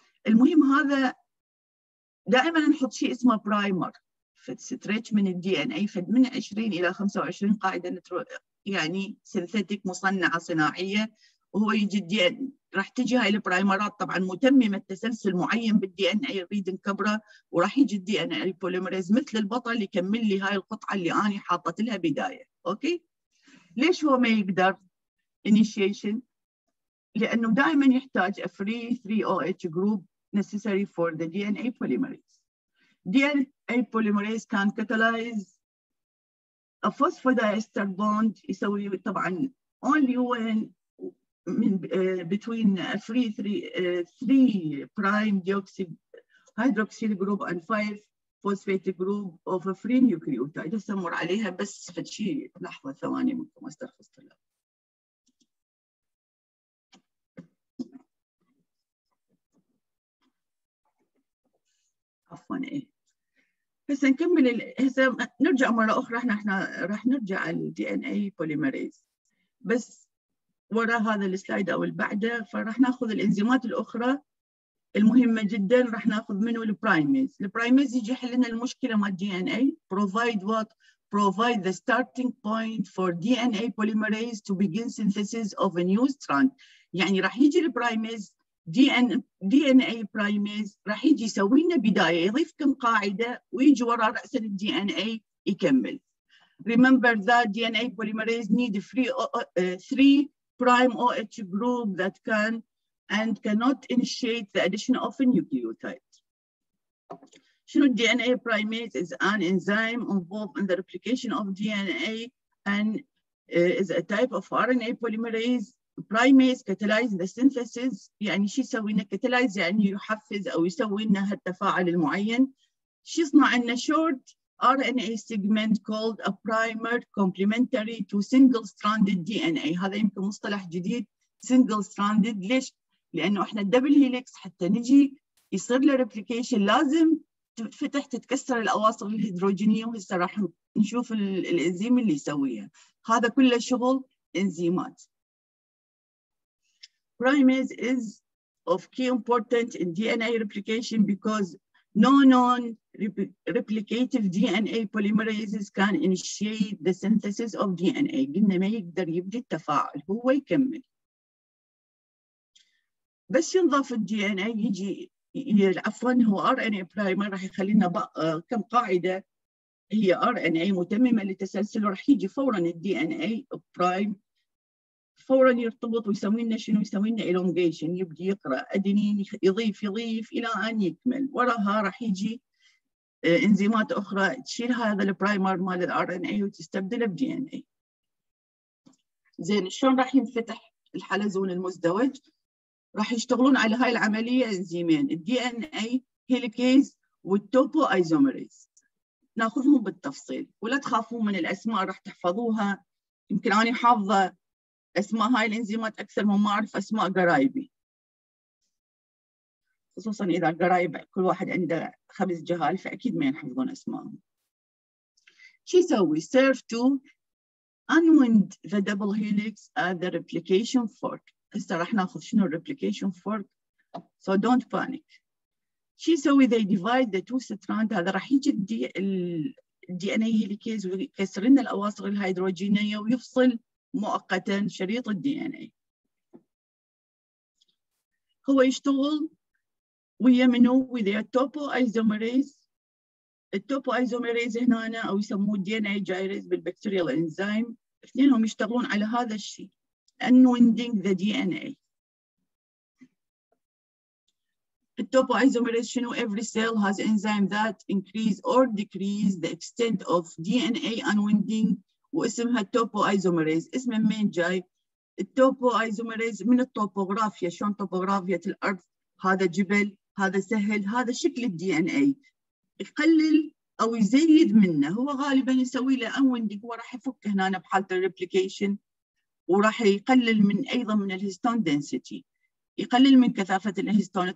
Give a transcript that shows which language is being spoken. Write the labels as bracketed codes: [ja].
[ar] المهم هذا دائما نحط شيء اسمه برايمر في الستريتش من الدي إن إيه، فد من 20 إلى 25 قاعدة نترو يعني سينثيتيك مصنعة صناعية، وهو يجي الدي إن راح تجي هاي البرايمرات طبعا متممة تسلسل معين بالدي ان اي يريد نكبره، وراح يجي الدي ان اي بوليمريز مثل البطل يكمل لي هاي القطعه اللي انا حاطه لها بدايه. [en] okay, [ar] ليش هو ما يقدر [en] Initiation? [ar] لانه دائما يحتاج [en] Every 3 O H group necessary for the D N A polymerase. D N A polymerase can catalyse phosphodiester bond, [ar] يسوي طبعا [en] Only when من between free three prime hydroxyl group and five phosphate group of a free nucleotide. [ar] هسه مر عليها بس فشي لحظة ثواني منكم استرخص طلاب. عفوا ايه، هسه نكمل، هسه نرجع مرة أخرى، احنا راح نرجع على الدي ان اي بوليمريز بس وراء هذا السلايد أو البعده، فرح نأخذ الإنزيمات الأخرى المهمة جداً، رح نأخذ منه البرايميز. البرايميز يجي يحل لنا المشكلة مع DNA. [en] Provide what? Provide the starting point for DNA polymerase to begin synthesis of a new strand. [ar] يعني رح يجي البرايميز DNA برايميز رح يجي يسوي لنا بداية، يضيف كم قاعدة ويجي وراء رأساً DNA يكمل. [en] Remember that DNA polymerase need three prime OH group that can and cannot initiate the addition of a nucleotide. شنو DNA primase is an enzyme involved in the replication of DNA and is a type of RNA polymerase. Primase catalyze the synthesis. [ar] يعني شو يسوي لنا catalyze، يعني يحفز أو يسوي لنا هالتفاعل المعين. شو يصنع لنا [en] short RNA segment called a primer complementary to single-stranded DNA. [ar] هذا يمكن مصطلح جديد single-stranded. ليش؟ لأنه إحنا double helix حتى نجي يصير له replication لازم تفتح تتكسر الأواصر الهيدروجينية، وهسه راح نشوف الإنزيم اللي يسويها. هذا كله شغل إنزيمات. [en] Primase is of key importance in DNA replication because no known replicative DNA polymerases can initiate the synthesis of DNA. [ar] قلنا ما يقدر يبدي التفاعل، هو يكمل. بس ينضاف الـ DNA يجي عفواً هو RNA primer راح يخلينا كم قاعدة هي RNA متممة لتسلسل، وراح يجي فوراً الـ DNA prime فوراً يرتبط ويسوي لنا شنو؟ يسوي لنا elongation، يبدي يقرأ أدينين يضيف يضيف إلى أن يكمل. وراها راح يجي إنزيمات أخرى تشيل هذا البرايمر مال الـ RNA وتستبدله بـ DNA. زين، شلون راح ينفتح الحلزون المزدوج؟ راح يشتغلون على هاي العملية إنزيمين الـ DNA helicase والtopo isomerase. ناخذهم بالتفصيل ولا تخافون من الأسماء، راح تحفظوها. يمكن أنا حافظة أسماء هاي الإنزيمات أكثر مما أعرف أسماء قرايبي، خصوصاً إذا قرايب كل واحد عنده خمس جهال فأكيد ما ينحفظون أسماءهم. شي يسوي؟ [en] serve to unwind the double helix at the replication fork. [ar] هسه راح ناخذ شنو replication fork، [en] so don't panic. [ar] شي يسوي؟ [en] they divide the two strand. [ar] هذا راح يجي دي ان اي هيليكيز ويكسر لنا الاواصر الهيدروجينيه ويفصل مؤقتا شريط الدي ان اي. هو يشتغل ويا منو؟ ويا التوبو ايزوميريز. التوبو ايزوميريز هنا أنا او يسموه الدي ان اي جايريز بالبكتيريال انزيم، اثنينهم يشتغلون على هذا الشيء [en] Unwinding the D N A. [ar] التوبو ايزوميريز شنو؟ [en] every cell has enzyme that increase or decrease the extent of DNA unwinding [ar] واسمها التوبو ايزوميريز. اسم من جاي؟ التوبو ايزوميريز من الطوبوغرافيا، شلون طوبوغرافيا الارض، هذا جبل، هذا سهل، هذا شكل الدي ان اي، يقلل او يزيد منه. هو غالبا يسوي له unwinding وراح يفك هنا بحالة الريبليكيشن، وراح يقلل من ايضا من الهيستون دنسيتي، يقلل من كثافه الهيستون.